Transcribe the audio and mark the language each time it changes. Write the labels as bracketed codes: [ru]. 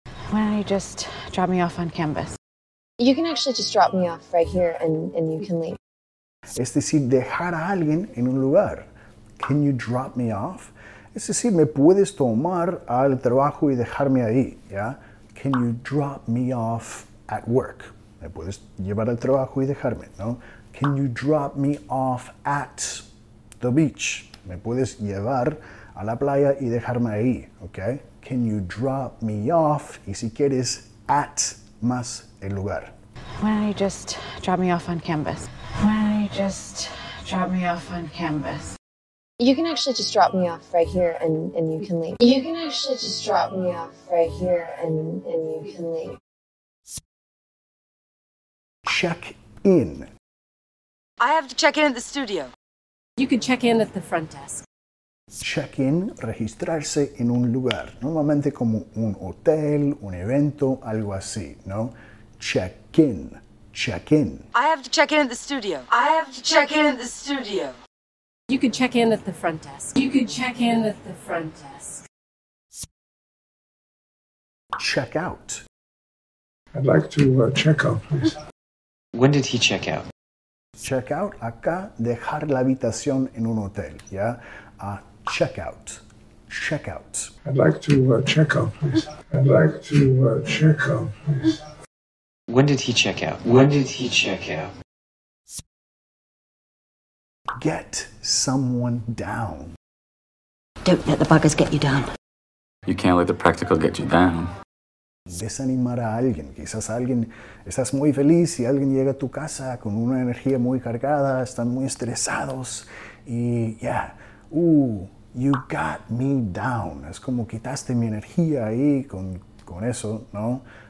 [en] Why don't you just drop me off on campus? You can actually just drop me off right here and you can leave. [es] Es decir, dejar a alguien en un lugar. [en] Can you drop me off? [es] Es decir, me puedes tomar al trabajo y dejarme ahí, ¿ya? [en] Can you drop me off at work? [es] Me puedes llevar al trabajo y dejarme, ¿no? [en] Can you drop me off at the beach? [es] Me puedes llevar a la playa y dejarme ahí, ¿ok? [en] Can you drop me off? [es] Y si quieres, at más el lugar. [en] Why don't you just drop me off on campus? Why don't you just drop me off on campus? You can actually just drop me off right here and you can leave. You can actually just drop me off right here and you can leave. Check in. I have to check in at the studio. You can check in at the front desk. [es] Check in, registrarse en un lugar, normalmente como un hotel, un evento, algo así, ¿no? [en] Check in, check in. I have to check in at the studio. I have to check in at the studio. You can check in at the front desk. You can check in at the front desk. Check out. I'd like to check out, please. When did he check out? [es] Check out, acá, dejar la habitación en un hotel, ¿ya? [en] Check out. Check out. I'd like to check out, please. I'd like to check out, please. When did he check out? When did he check out? Get someone down. Don't let the buggers get you down. You can't let the practical get you down. [es] Desanimar a alguien. Quizás alguien, estás muy feliz y alguien llega a tu casa con una energía muy cargada, están muy estresados y ya. Yeah. [en] You got me down. [es] Es como quitaste mi energía ahí con eso, ¿no?